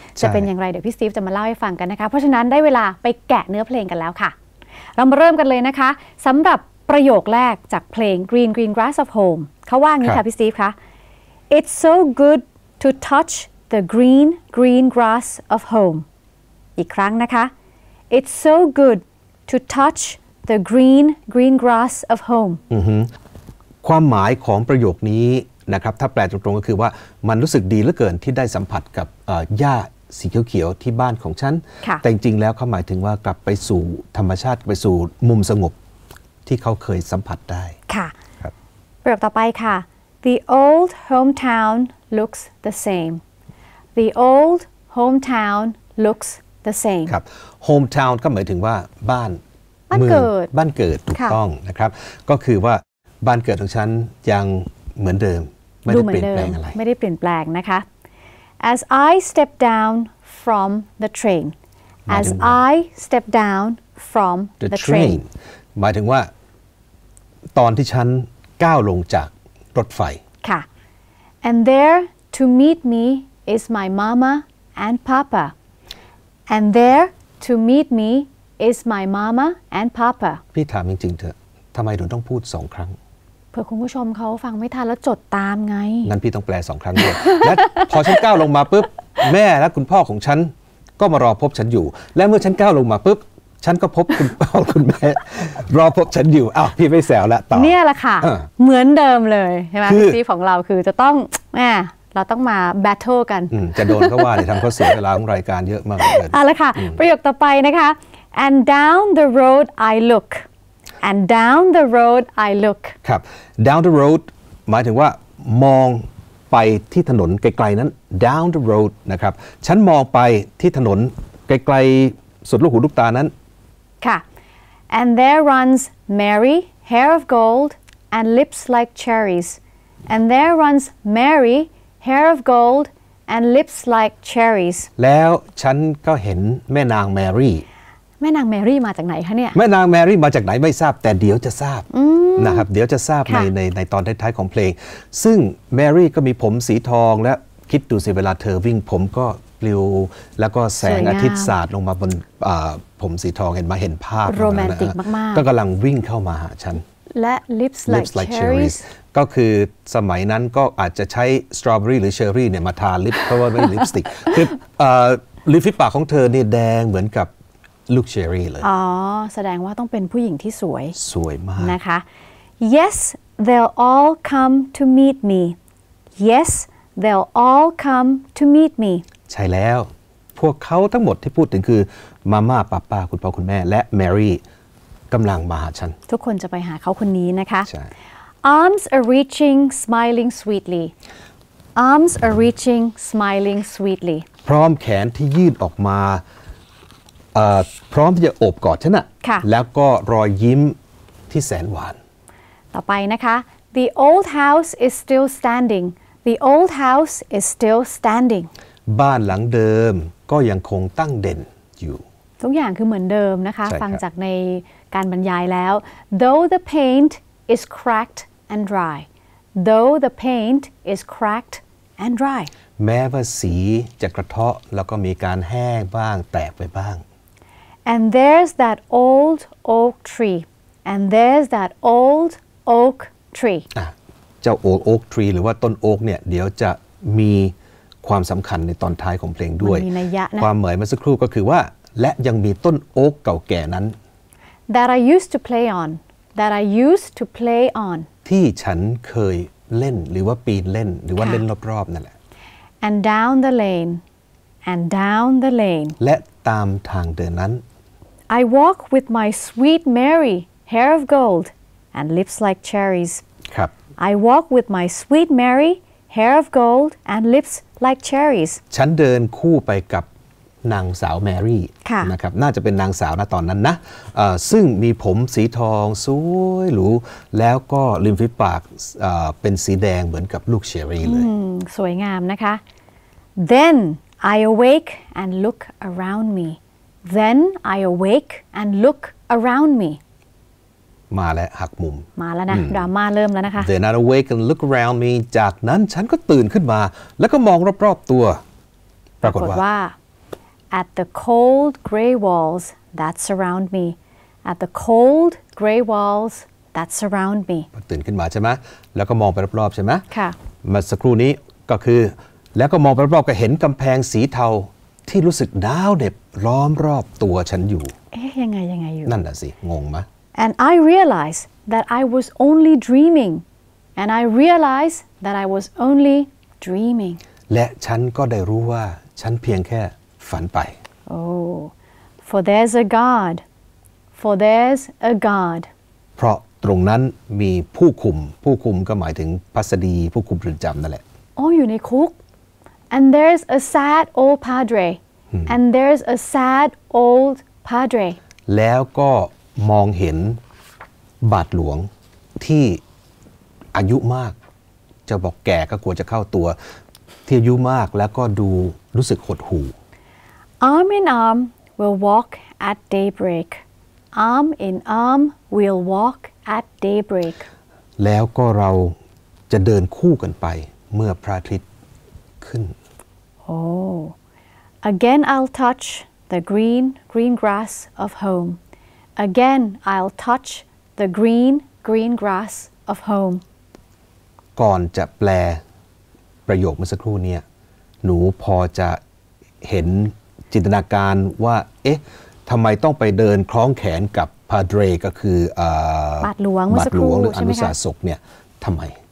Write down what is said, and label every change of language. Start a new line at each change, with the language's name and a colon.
Thai: จะเป็นอย่างไรเดี๋ยวพี่สตีฟจะมาเล่าให้ฟังกันนะคะเพราะฉะนั้นได้เวลาไปแกะเนื้อเพลงกันแล้วค่ะเรามาเริ่มกันเลยนะคะสำหรับประโยคแรกจากเพลง Green Green Grass of Home เขาว่าอย่างนี้ค่ะพี่สตีฟคะ
English: It's so good to touch the green green grass of home
Thai: อีกครั้งนะคะ It's so good to touch the green green grass of home ความหมายของประโยคนี้นะครับถ้าแปลตรงๆก็คือว่ามันรู้สึกดีเหลือเกินที่ได้สัมผัสกับหญ้า สีเขียวๆที่บ้านของฉันแต่จริงๆแล้วเขาหมายถึงว่ากลับไปสู่ธรรมชาติไปสู่มุมสงบที่เขาเคยสัมผัสได้ ค่ะประโยคต่อไปค่ะ
English: The old hometown looks the same The old hometown looks the same
Thai: ครับ hometown ก็หมายถึงว่าบ้าน บ้านเกิด บ้านเกิดถูกต้องนะครับก็คือว่าบ้านเกิดของฉันยังเหมือนเดิมไม่ได้เปลี่ยนแปลงอะไร ไม่ได้เปลี่ยนแปลงนะคะ
English: As I step down from the train As I step down from the train
Thai: หมายถึงว่าตอนที่ฉันก้าวลงจากรถไฟ
English: ค่ะ And there to meet me is my mama and papa And there to meet me is my mama and papa
Thai: พี่ถามจริงๆเถอะทำไมถึงต้องพูด2ครั้ง เผื่อคุณผู้ชมเขาฟังไม่ทันแล้วจดตามไง งั้นพี่ต้องแปล2ครั้งด้วยและพอฉันก้าวลงมาปุ๊บแม่และคุณพ่อของฉันก็มารอพบฉันอยู่และเมื่อฉันก้าวลงมาปุ๊บฉันก็พบคุณพ่อคุณแม่รอพบฉันอยู่อ้าวพี่ไม่แซวละต่อ เนี่ยละค่ะเหมือนเดิมเลยใช่ไหมที่ของเราคือจะต้องแหมเราต้องมาแบทเทิลกัน จะโดนเขาว่าเนี่ยทำเขาเสียเวลาของรายการเยอะมากเลย เอาละค่ะประโยคต่อไปนะคะ
English: and down the road I lookAnd down the road I look.
Thai: ครับ
English: down the road
Thai: หมายถึงว่ามองไปที่ถนนไกลๆนั้น down the road นะครับฉันมองไปที่ถนนไกลๆสุดลูกหูลูกตานั้น
English: ค่ะ And there runs Mary hair of gold and lips like cherries. And there runs Mary hair of gold and lips like cherries.
Thai: แล้วฉันก็เห็นแม่นางแมรี่ แม่นางแมรี่มาจากไหนคะเนี่ย แม่นางแมรี่มาจากไหนไม่ทราบแต่เดี๋ยวจะทราบนะครับเดี๋ยวจะทราบในตอนท้ายๆของเพลงซึ่งแมรี่ก็มีผมสีทองและคิดดูสิเวลาเธอวิ่งผมก็ปลิวแล้วก็แสงอาทิตย์สาดลงมาบนผมสีทองเห็นมาเห็นภาพ โรแมนติกมาก ๆก็กำลังวิ่งเข้ามาหาฉัน
English: และ lips like cherries
Thai: ก็คือสมัยนั้นก็อาจจะใช้สตรอเบอรี่หรือเชอร์รี่เนี่ยมาทาลิปเพราะว่าไม่มีลิปสติกคือลิปฝีปากของเธอเนี่ยแดงเหมือนกับลูกเชอรี่เลย อ๋อแสดงว่าต้องเป็นผู้หญิงที่สวย สวยมาก นะคะ
English: Yes they'll all come to meet me Yes they'll all come to meet me
Thai: ใช่แล้วพวกเขาทั้งหมดที่พูดถึงคือมาม่าป้าป้าคุณพ่อคุณแม่และแมรี่กำลังมาหาฉัน ทุกคนจะไปหาเขาคนนี้นะคะ ใช่
English: Arms are reaching smiling sweetly Arms are reaching smiling sweetly
Thai: พร้อมแขนที่ยืดออกมาพร้อมที่จะโอบกอดฉัน อะ แล้วก็รอยยิ้มที่แสนหวาน
English: ต่อไปนะคะ The old house is still standing The old house is still standing
Thai: บ้านหลังเดิมก็ยังคงตั้งเด่นอยู่ ทุกอย่างคือเหมือนเดิมนะคะฟังจากในการบรรยายแล้ว
English: Though the paint is cracked and dry Though the paint is cracked and dry
Thai: แม้ว่าสีจะกระเทาะแล้วก็มีการแห้งบ้างแตกไปบ้าง
English: And there's that old oak tree. And there's that old oak tree.
Thai: เจ้า old oak tree หรือว่าต้นโอ๊กเนี่ยเดี๋ยวจะมีความสำคัญในตอนท้ายของเพลงด้วย มีนัยยะนะ ความหมายเมื่อสักครู่ก็คือว่าและยังมีต้นโอ๊กเก่าแก่นั้น
English: That I used to play on. That I used to play on.
Thai: ที่ฉันเคยเล่นหรือว่าปีนเล่นหรือว่าเล่นรอบๆนั่นแหละ
English: And down the lane. And down the lane.
Thai: และตามทางเดินนั้น
English: I walk with my sweet Mary hair of gold and lips like cherries
Thai: ครับ
English: I walk with my sweet Mary hair of gold and lips like cherries
Thai: ฉันเดินคู่ไปกับนางสาวแมรี่ นะครับน่าจะเป็นนางสาวณตอนนั้นนะซึ่งมีผมสีทองสวยหรูแล้วก็ริมฝีปากเป็นสีแดงเหมือนกับลูกเชอรี่เลย สวยงามนะคะ
English: thenI awake and look around me. Then I awake and look around me.
Thai: มาแล้วหักมุม มาแล้วนะดราม่าเริ่มแล้วนะคะ
English: Then I awake and look around me.
Thai: จากนั้นฉันก็ตื่นขึ้นมาแล้วก็มองรอบๆตัว ปรากฏว่า
English: At the cold gray walls that surround me. At the cold gray walls that surround me.
Thai: ตื่นขึ้นมาใช่ไหมแล้วก็มองไปรอบๆใช่ไหม ค่ะ มาสักครู่นี้ก็คือแล้วก็มองไปรอบๆก็เห็นกำแพงสีเทาที่รู้สึกหนาวเหน็บล้อมรอบตัวฉันอยู่เอ๊ะยังไงอยู่นั่นน่ะสิงงมะ
English: And I realized that I was only dreaming And I realized that I was only dreaming
Thai: และฉันก็ได้รู้ว่าฉันเพียงแค่ ฝันไป
English: Oh, for there's a God. For there's a God.
Thai: เพราะตรงนั้นมีผู้คุมผู้คุมก็หมายถึงพัสดีผู้คุมเรือนจำนั่นแหละ
English: Oh,
Thai: อยู่ในคุก
English: And there's a sad old padre. And there's a sad old padre.
Thai: แล้วก็มองเห็นบาทหลวงที่อายุมากจะบอกแก่ก็กลัวจะเข้าตัวที่อายุมากแล้วก็ดูรู้สึกหดหู่
English: Arm in arm we'll walk at daybreak. Arm in arm we'll walk at daybreak.
Thai: แล้วก็เราจะเดินคู่กันไปเมื่อพระอาทิตย์ขึ้น
English: Oh, again I'll touch the green grass of home. Again I'll touch the green grass of home.
Thai: ก่อนจะแปลประโยคเมื่อสักครู่เนี่ยหนูพอจะเห็นจินตนาการว่าเอ๊ะทำไมต้องไปเดินคล้องแขนกับพาเดรก็คือ บาทหลวงเมื่อสักครู่ หรืออนุสาสกเนี่ยทำไม